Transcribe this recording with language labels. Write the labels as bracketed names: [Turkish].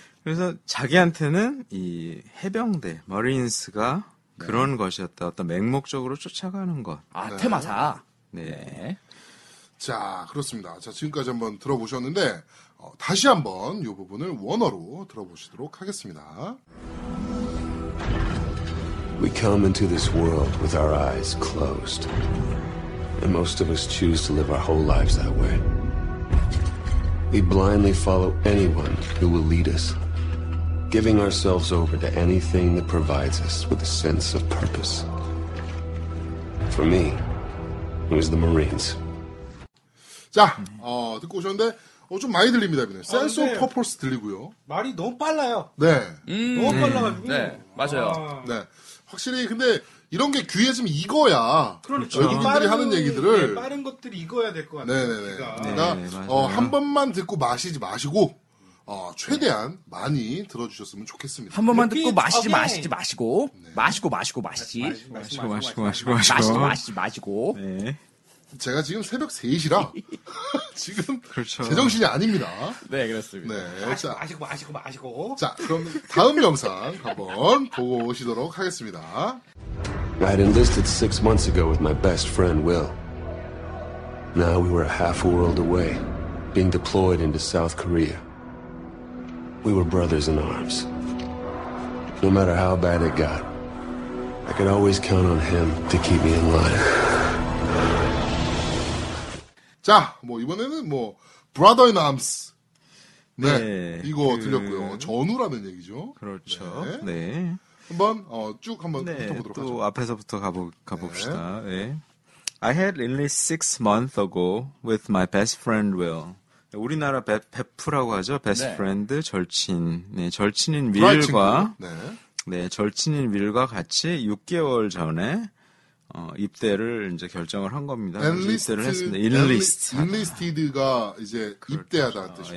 [Korean] 그래서 자기한테는 이 해병대, 머린스가 네. 그런 것이었다. 어떤 맹목적으로 쫓아가는 것. 아, 네. 테마사. 네. 네. 자, 그렇습니다. 자, 지금까지 한번 들어보셨는데 다시 한번 이 부분을 원어로 들어보시도록 하겠습니다. [English] We come into this world with our eyes closed. And most of us choose to live our whole lives that way. We blindly follow anyone who will lead us. Giving ourselves over to anything that provides us with a sense of purpose. For me, it was the Marines. [Korean] 자, 듣고 오셨는데 좀 많이 들립니다. 그냥. [English] Sense of purpose [Korean] 들리고요. 말이 너무 빨라요. 네. 너무 빨라가지고. 네, 맞아요. 아. 네, 확실히 근데 이런 게 귀에 좀 익어야 그렇죠. 외국인들이 빠른, 하는 얘기들을 네, 빠른 것들이 익어야 될 것 같아요. 네네네. 그러니까 네, 한 번만 듣고 마시지 마시고 최대한 네. 많이 들어주셨으면 좋겠습니다. 한 번만 듣고 마시지 오케이. 마시지 마시고 네. 마시고 마시고 마시지 마시고 마시고 마시고 마시고 마시지 마시고 네. 제가 지금 새벽 3시라 지금 그렇죠. 제정신이 아닙니다. 네, 그렇습니다. 네, 마시고, 자. 마시고 마시고 마시고 자, 그럼 다음 영상 한번 보고 오시도록 하겠습니다. [English] I had enlisted 6 months ago with my best friend, Will. Now we were a half world away, being deployed into South Korea. We were brothers in arms. No matter how bad it got, I could always count on him to keep me in line. [Korean] 자, 뭐 이번에는 뭐 [English] Brother in Arms. [Korean] 네, 네, 이거 그... 들렸고요. 전우라는 얘기죠. 그렇죠. 네. 네. 한번 쭉 한번 훑어보도록 하죠. 또 앞에서부터 가봅시다. 네. 네. [English] I had English 6 months ago with my best friend Will. [Korean] 우리나라 베프라고 하죠. Best 네. friend, 절친. 네, 절친인 윌과 네. 네, 절친인 윌과 같이 6개월 전에 입대를 이제 결정을 한 겁니다. [English] Enlisted, [Korean] 입대를 했습니다. Enlist. Enlisted가 이제 그렇죠. 입대하다는 뜻이죠.